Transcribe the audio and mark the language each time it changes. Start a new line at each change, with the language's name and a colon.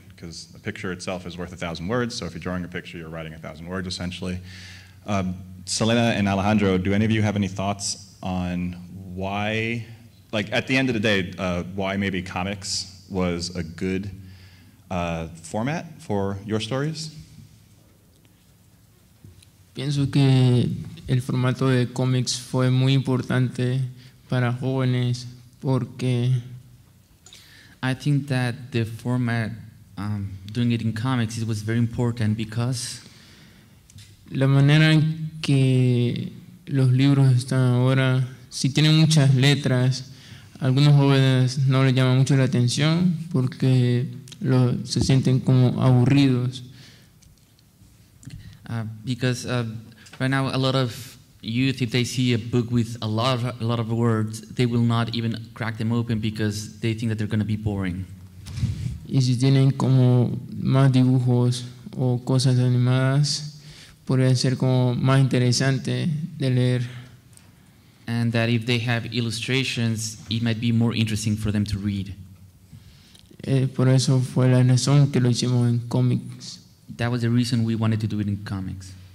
English: Because a picture itself is worth 1,000 words, so if you're drawing a picture, you're writing 1,000 words, essentially. Selena and Alejandro, do any of you have any thoughts on why, like at the end of the day, why maybe comics was a good format for your stories?
Spanish: Pienso que el formato de cómics fue muy importante para jóvenes porque
English: I think that the format doing it in comics, it was very important because
Spanish: la manera en que los libros están ahora, si tienen muchas letras, algunos jóvenes no les llama mucho la atención porque lo, se sienten como aburridos.
English: Because right now a lot of youth, if they see a book with a lot of words, they will not even crack them open because they think that they're going to be boring.
Spanish: Y si tienen como más dibujos o cosas animadas, podría ser como más interesante de leer.
English: And that if they have illustrations, it might be more interesting for them to read.
Spanish: Por eso fue la razón que lo hicimos en comics.
English: That was the reason we wanted to do it in comics.